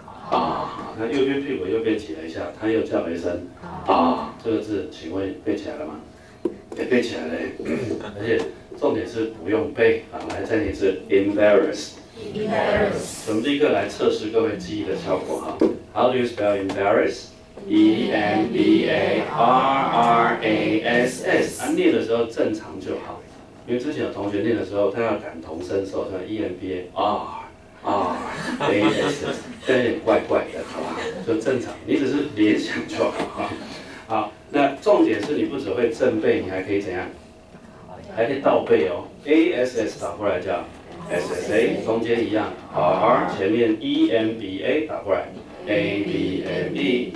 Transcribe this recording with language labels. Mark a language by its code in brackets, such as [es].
[zh] 啊，他右边屁股又被挤了一下，他又叫了一声啊，这个字请问背起来了吗？也背起来了，而且重点是不用背啊，来再一次 embarrass， [en] embarrass， [zh] 我们立刻来测试各位记忆的效果哈。 [en] How do you spell embarrass？ [zh] E M B A R R A S S， 啊，念的时候正常就好，因为之前有同学念的时候，他要感同身受，像 E M B A R。 ASS， 但有点怪怪的，好吧？就正常，你只是联想就好。好，那重点是你不只会正背，你还可以怎样？还可以倒背哦。 ASS 打过来叫 SSA， 中间一样 ，R 前面 EMBA 打过来 ABME。